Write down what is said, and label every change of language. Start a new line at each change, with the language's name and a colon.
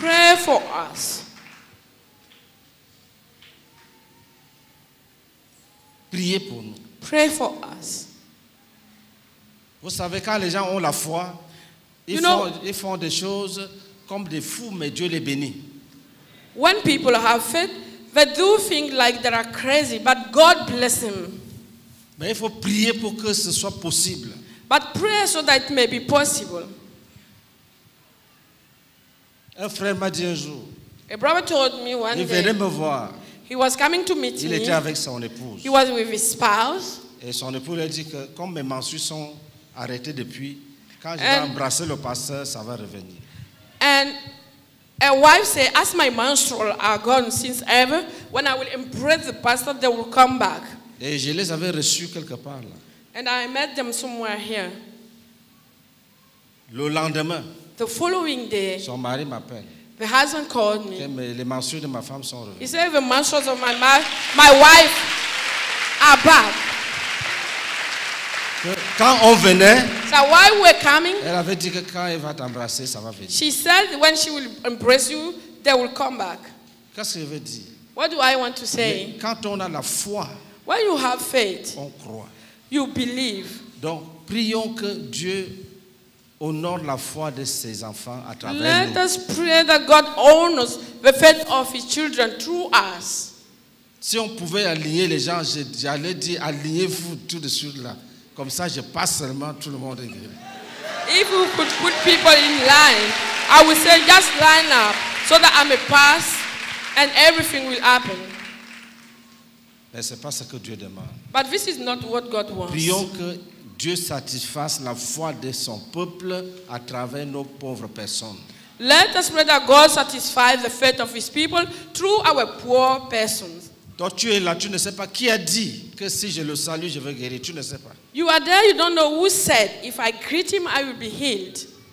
English: Pray for us.
French: Priez pour nous.
English: Pray for us.
French: Vous savez, quand les gens ont la foi, ils font des choses comme des fous, mais Dieu les bénit.
English: When people have faith, they do things like they are crazy, but God bless them.
French: Mais il faut prier pour que ce soit possible.
English: But pray so that it may be possible.
French: Un frère m'a dit un jour,
English: a brother told me one
French: il venait me voir.
English: He was coming to meet
French: il
English: me.
French: Était avec son épouse.
English: He was with his spouse.
French: Et son épouse lui a dit que comme mes mensues sont arrêté depuis quand je vais embrasser le pasteur ça va revenir.
English: And a wife said, as my menstrual are gone since ever, when I will embrace the pastor they will come back.
French: Et je les avais reçus quelque part là.
English: And I met them somewhere here.
French: Le lendemain,
English: the following day,
French: son mari m'appelle.
English: The husband called me.
French: Les menstrues de ma femme sont revenues.
English: He said the menstruals of my wife are back.
French: Quand on venait,
English: so while we're coming,
French: elle avait dit que quand elle va t'embrasser, ça va venir.
English: She said when she will embrace you, they will come back.
French: Qu'est-ce que je veux dire?
English: What do I want to say?
French: Mais quand on a la foi,
English: when you have faith,
French: on croit.
English: You believe.
French: Donc, prions que Dieu honore la foi de ses enfants à travers
English: let
French: nous.
English: Let us pray that God honors the faith of his children through us.
French: Si on pouvait aligner les gens, j'allais dire alignez-vous tout de suite là. Comme ça, je passe seulement, tout le monde est guéri.
English: If we could put people in line, I would say just line up so that I may pass and everything will happen.
French: Mais ce n'est pas ce que Dieu demande.
English: But this is not what God wants.
French: Prions que Dieu satisfasse la foi de son peuple à travers nos pauvres personnes.
English: Let us pray that God satisfies the faith of his people through our poor persons.
French: Toi, tu es là, tu ne sais pas qui a dit que si je le salue, je vais guérir. Tu ne sais pas.
English: You are there, you don't know who said, if I greet him, I will be healed.